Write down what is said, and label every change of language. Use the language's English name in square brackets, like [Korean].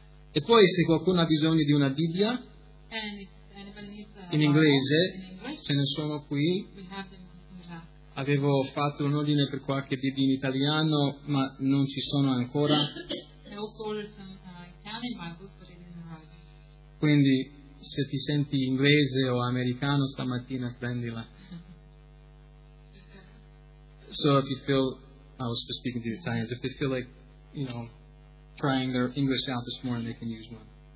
[Italian] E poi se qualcuno ha bisogno di una Bibbia, [English] and if anybody needs a [Italian] in inglese, [English] Bible, in English, [Italian] ce ne sono qui. [English] We have them. [Italian] Avevo fatto un ordine per qualche Bibbia in italiano, ma non ci sono ancora. [English] I also ordered some Italian Bibles, but they didn't arrive. [Italian] Quindi, se ti senti inglese o americano stamattina, prendila. [English] So if you feel, I was just speaking to the Italians, if they feel like, you know, trying their English out this morning, they can use one.